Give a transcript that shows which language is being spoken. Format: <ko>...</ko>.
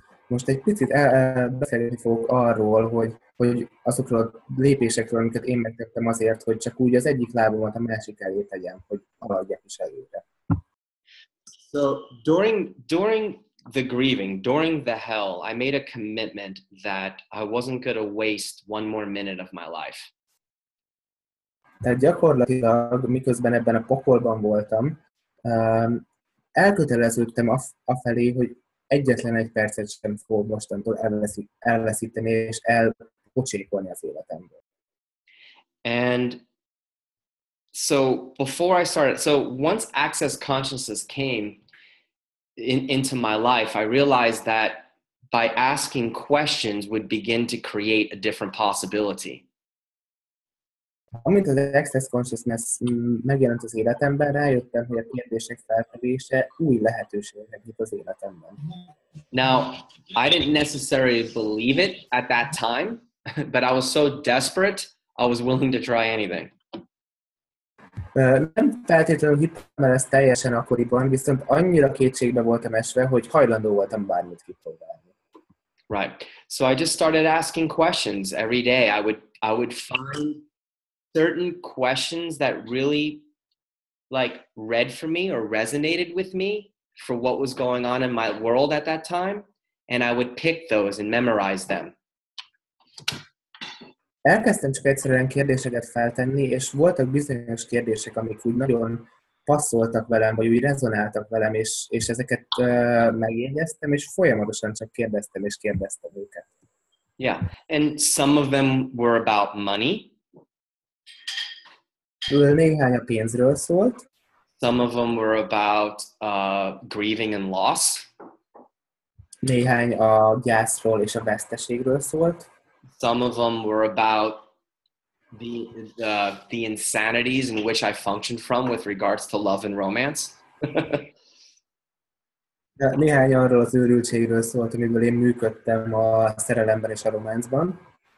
<hu>Most egy picit beszélni fogok arról, hogy azokról a lépésekről, amiket én megtettem azért, hogy csak úgy az egyik lábomat a másik elé tegyem, hogy haladjak is előre.</hu> <en>So during the grieving, during the hell, I made a commitment that I wasn't going to waste one more minute of my life.</en> <hu>Tehát gyakorlatilag, miközben ebben a pokolban voltam, elköteleződtem afelé, hogy egyetlen egy percet sem fog mostantól elveszíteni és elpocsékolni az életemből.</hu> <en>And so before I started, so once access consciousness came into my life, I realized that by asking questions would begin to create a different possibility.</en> <hu>Amint az access consciousness megjelent az életemben, rájöttem, hogy a kérdések feltevése új lehetőségeket nyit az életemben.</hu> <en>Now, I didn't necessarily believe it at that time, but I was so desperate, I was willing to try anything.</en> <hu>Nem feltétlenül hittem el ezt teljesen akkoriban, viszont annyira kétségbe voltam esve, hogy hajlandó voltam bármit kipróbálni.</hu> <en>Right. So I just started asking questions every day. I would find certain questions that really like read for me or resonated with me for what was going on in my world at that time, and I would pick those and memorize them.</en> <hu>Elkezdtem csak egyszerűen kérdéseket feltenni, és voltak bizonyos kérdések, amik úgy nagyon passzoltak velem, vagy úgy rezonáltak velem, és ezeket megjegyeztem, és folyamatosan csak kérdeztem és kérdeztem őket.</hu> <en>Yeah, and some of them were about money.</en> <hu>Néhány a pénzről szólt.</hu> <en>Some of them were about grieving and loss.</en> <hu>Néhány a gyászról és a veszteségről szólt.</hu> <en>Some of them were about the insanities in which I functioned from with regards to love and romance.</en> <hu>Néhány arról az őrültségről szólt, amiből én működtem a szerelemben és a románcban.</hu>